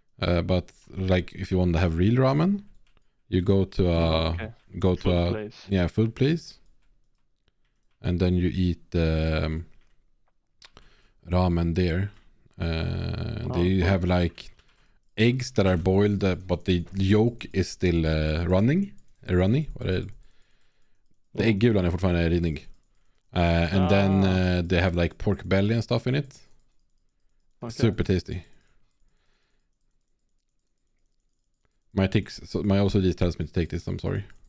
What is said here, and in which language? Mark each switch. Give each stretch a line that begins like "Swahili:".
English: But like if you want to have real ramen, you go to a food place. Yeah, food place. And then you eat ramen there. They have like eggs that are boiled, but the yolk is still runny.
Swedish: The egggulan är fortfarande rinnig.
English: And then they have like pork belly and stuff in it. Okay. Super tasty. My ticks, so my OCD tells me to take this. I'm sorry.